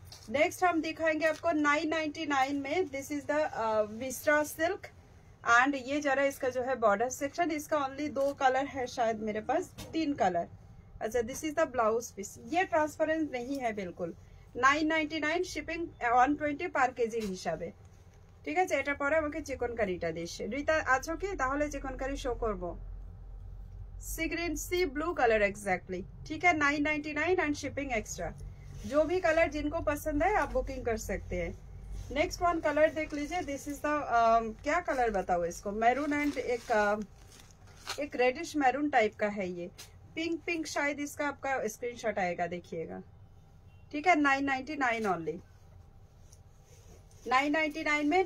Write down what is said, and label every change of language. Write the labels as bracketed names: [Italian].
[Hindi] Next हम दिखाएंगे आपको 999 में, [English] this is the विस्ट्रा silk, [Hindi] and ये जरा इसका जो है बॉर्डर सेक्शन, इसका ओनली दो कलर है शायद मेरे पास, तीन कलर। अच्छा [English] this is the blouse piece, [Hindi] ये ट्रांसपेरेंट नहीं है बिल्कुल, 999 शिपिंग 120 पर केजी हिसाब से, ठीक है। [Bangla] এটা পরে আমাকে চিকন কারিটা দিস, রিতা আছো কি? তাহলে চিকন কারি শো করব, sea green C blue colour exactly, ঠিক আছে 999 এন্ড শিপিং এক্সট্রা। [Hindi] जो भी कलर जिनको पसंद है आप बुकिंग कर सकते हैं। नेक्स्ट वन कलर देख लीजिए, दिस इज द क्या कलर बताओ इसको, मैरून एंड एक रेडिश मैरून टाइप का है ये, पिंक शायद इसका आपका स्क्रीनशॉट आएगा, देखिएगा, ठीक है 999 ओनली 999 में।